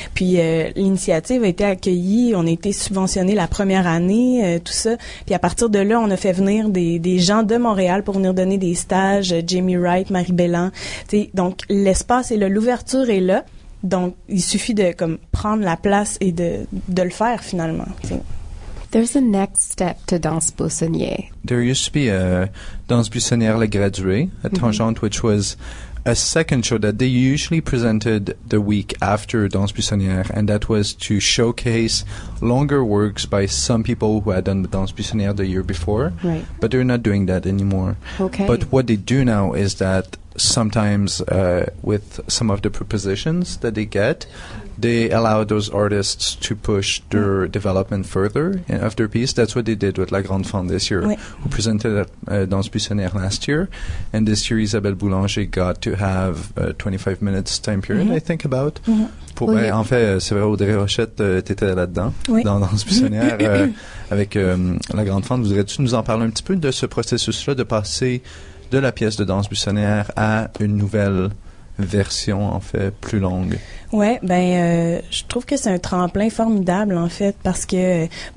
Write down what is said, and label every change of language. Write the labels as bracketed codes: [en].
[fr] Puis, l'initiative a été accueillie. On a été subventionné la première année, tout ça. Puis, à partir de là, on a fait venir des gens de Montréal pour venir donner des stages. Jamie Wright, Marie Bellan. Donc, l'espace est là. L'ouverture est là. Donc, il suffit de comme prendre la place et de le faire finalement. [en] There's a next step to Danse Buissonnière. There used to be a Danse Buissonnière Le Gradué at Tangente, which was a second show that they usually presented the week after Danse Buissonnière, and that was to showcase longer works by some people who had done the Danse Buissonnière the year before. Right. But they're not doing that anymore. Okay. But what they do now is that sometimes with some of the propositions that they get, they allow those artists to push their development further of their piece. That's what they did with La Grande Fond this year, who presented at Danse Buissonnière last year. And this year, Isabelle Boulanger got to have a 25 minutes time period, I think, about. Mm-hmm. [fr] En fait, c'est vrai, Audrey Rochette, t'étais là-dedans, dans Danse Buissonnière, avec La Grande Fond. Voudrais-tu nous en parler un petit peu de ce processus-là, de passer de la pièce de Danse Buissonnière à une nouvelle version, en fait, plus longue? Oui, je trouve que c'est un tremplin formidable, en fait, parce que,